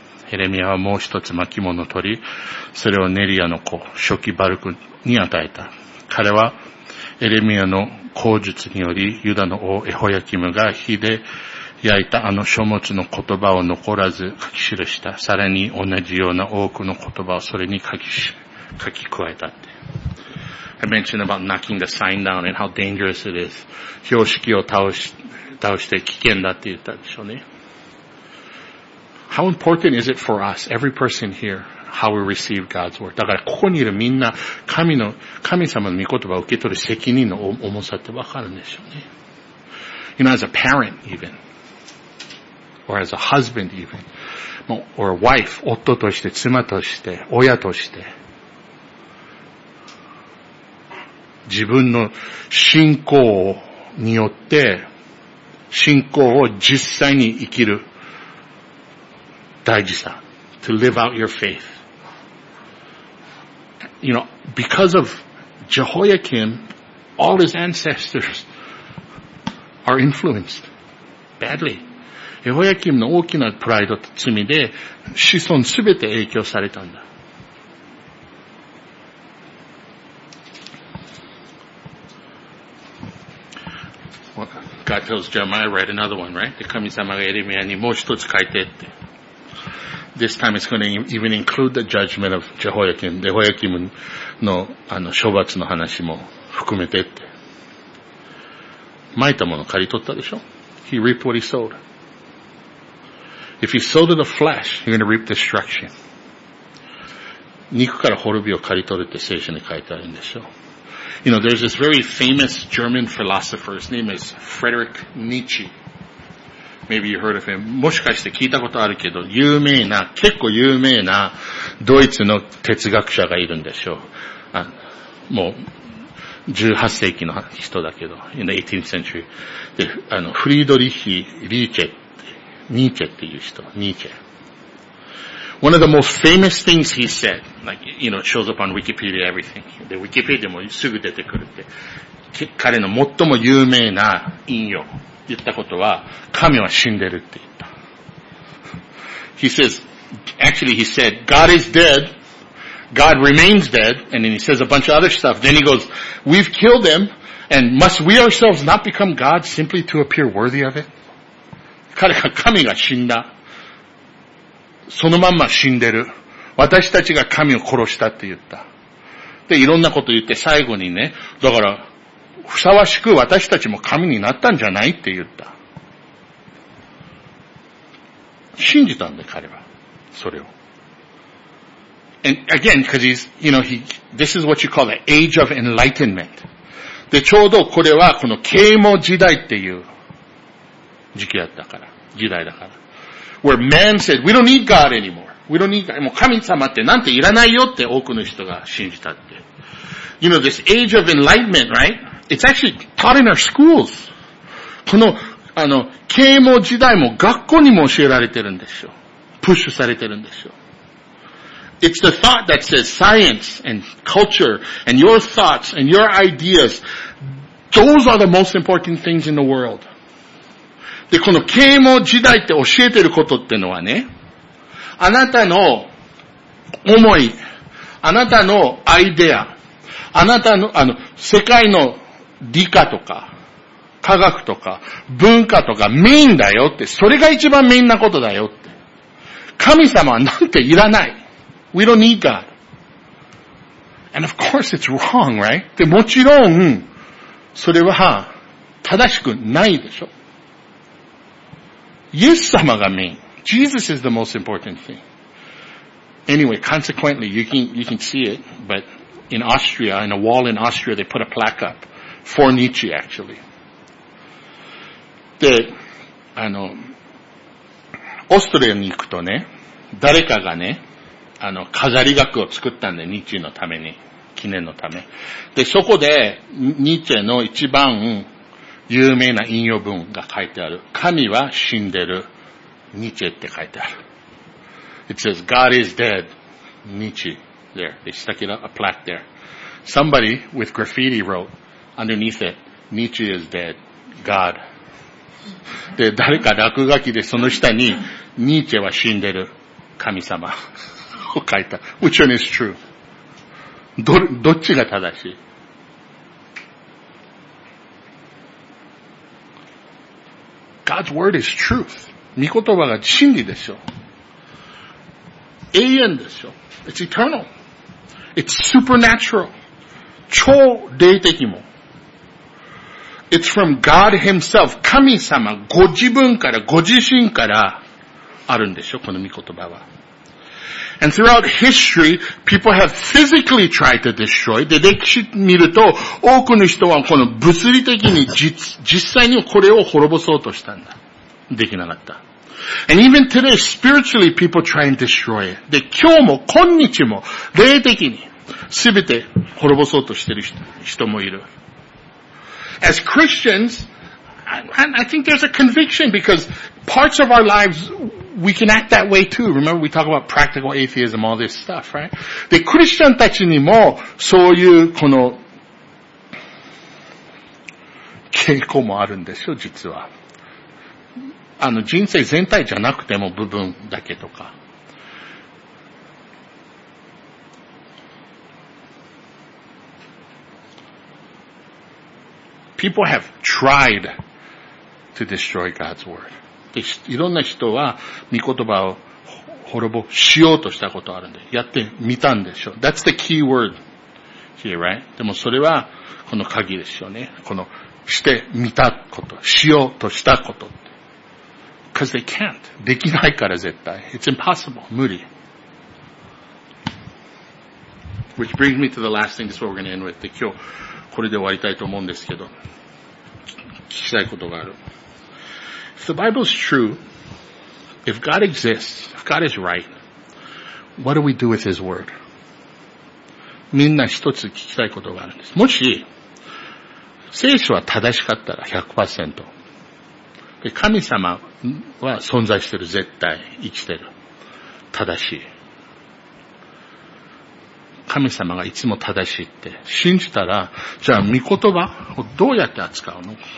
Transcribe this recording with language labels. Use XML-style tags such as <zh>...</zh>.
<ja>ヘレミアはもう一つ巻物を取り、それをネリアの子、初期バルクに与えた。彼はエレミアの口述によりユダの王エホヤキムが火で焼いたあの書物の言葉を残らず書き記した。さらに同じような多くの言葉をそれに書き加えたって。</ja> <en>I mentioned about knocking the sign down and how dangerous it is.</en> <ja>標識を倒して危険だって言ったでしょうね。</ja> <en>How important is it for us, every person here, how we receive God's word?</en> <ja>だからここにいるみんな神様の御言葉を受け取る責任の重さってわかるんでしょうね。</ja> <en>You know, as a parent evenOr as a husband even. Or a wife.</en> <ja>夫として、妻として、親として。自分の信仰によって、信仰を実際に生きる大事さ。</ja> <en>To live out your faith. You know, because of Jehoiakim, all his ancestors are influenced badly.</en> <ja>エホヤキムの大きなプライドと罪で子孫すべて影響されたんだ。</ja> <en>God tells Jeremiah, write another one, right?</en> <ja>神様がエレミアにもう一つ書いてって。</ja> <en>This time it's going to even include the judgment of Jehoiakim.</en> <ja>エホヤキムの処罰の話も含めてって。撒いたものを刈り取ったでしょ?</ja> <en>He reaped what he sowed. If you sow to the flesh, you're going to reap destruction.</en> <ja>肉から滅びを刈り取るって聖書に書いてあるんでしょう。</ja> <en>You know, there's this very famous German philosopher. His name is Friedrich Nietzsche. Maybe you heard of him.</en> <ja>もしかして聞いたことあるけど、結構有名なドイツの哲学者がいるんでしょう。もう18世紀の人だけど、</ja> <en>in the 18th century.</en> <ja>で、フリードリヒ・リーチェ。ニーチェっていう人。</ja> <en>One of the most famous things he said, like, you know, it shows up on Wikipedia, everything.</en> <ja>で、Wikipedia もすぐ出てくるって。彼の最も有名な引用、言ったことは、神は死んでるって言った。</ja> <en>He says, actually he said, God is dead, God remains dead, and then he says a bunch of other stuff. Then he goes, we've killed him, and must we ourselves not become God simply to appear worthy of it?</en> <ja>彼が神が死んだ。そのまんま死んでる。私たちが神を殺したって言った。で、いろんなこと言って最後にね、だから、ふさわしく私たちも神になったんじゃないって言った。信じたんで彼は。それを。</ja> <en>And again, because he's, you know, this is what you call the age of enlightenment.</en> <ja>で、ちょうどこれはこの啓蒙時代っていう。時期だったから、時代だから。</ja> <en>Where man said, we don't need God anymore. We don't need God.</en> <ja>もう神様ってなんていらないよって多くの人が信じたって。</ja> <en>You know, this age of enlightenment, right? It's actually taught in our schools.</en> <ja>この、啓蒙時代も学校にも教えられてるんですよ。プッシュされてるんですよ。</ja> <en>It's the thought that says science and culture and your thoughts and your ideas, those are the most important things in the world.</en> <ja>で、この啓蒙時代って教えてることってのはね、あなたの思い、あなたのアイデア、あなたの世界の理科とか、科学とか、文化とかメインだよって、それが一番メインなことだよって。神様はなんていらない。</ja> <en>We don't need God. And of course it's wrong, right?</en> <ja>で、もちろん、それは、正しくないでしょ。イエス様がメイン。</ja> <en>Jesus is the most important thing. Anyway, consequently, you can see it, but in Austria, in a wall in Austria, they put a plaque up for Nietzsche, actually.</en> <ja>で、オーストリアに行くとね、誰かがね、飾り額を作ったんで、ニッチェのために、記念のため。で、そこで、ニッチェの一番有名な引用文が書いてある。神は死んでる。ニッチェって書いてある。</ja> <en>It says, God is dead. ニッチェ there. They stuck it up, a plaque there. Somebody with graffiti wrote underneath it, ニッチェ is dead. God.</en> <ja>で、誰か落書きでその下に、ニッチェは死んでる。神様。書いた。</ja> <en>Which one is true?</en> <ja>どっちが正しい？</ja> <en>God's word is truth.</en> <ja>御言葉が真理でしょ。永遠でしょ。</ja> <en>It's eternal. It's supernatural.</en> <ja>超霊的も。</ja> <en>It's from God himself.</en> <ja>神様、ご自分から、ご自身からあるんでしょ、この御言葉は。</ja> <en>And throughout history, people have physically tried to destroy.</en> <ja>で、歴史見ると、多くの人はこの物理的に実際にこれを滅ぼそうとしたんだ。できなかった。</ja> <en>And even today, spiritually, people try and destroy it.</en> <ja>で、今日も、今日も、霊的に、すべて滅ぼそうとしてる人もいる。</ja> <en>As Christians, I think there's a conviction because parts of our lives, we can act that way too. Remember, we talk about practical atheism, all this stuff, right?</en> <ja>で、クリスチャンたちにも、そういう、この、傾向もあるんでしょ、実は。人生全体じゃなくても部分だけとか。</ja> <en>People have tried to destroy God's word.</en> <ja>で、いろんな人は御言葉を滅ぼしようとしたことあるんで、やってみたんでしょう。</ja> <en>That's the key word here, right?</en> <ja>でもそれはこの鍵ですよね。このしてみたこと、しようとしたこと。</ja> <en>Because they can't.</en> <ja>できないから絶対。</ja> <en>It's impossible.</en> <ja>無理。</ja> <en>Which brings me to the last thing. This is what we're going to end with.</en> <ja>で、今日。これで終わりたいと思うんですけど、聞きたいことがある。</ja> <en>If the Bible is true, if God exists, if God is right, what do we do with His word?</en> <ja>みんな一つ聞きたいことがあるんです。もし、聖書は正しかったら 100%。で、神様は存在してる、絶対、生きてる。正しい。神様がいつも正しいって信じたら、じゃあ御言葉をどうやって扱うの？</ja>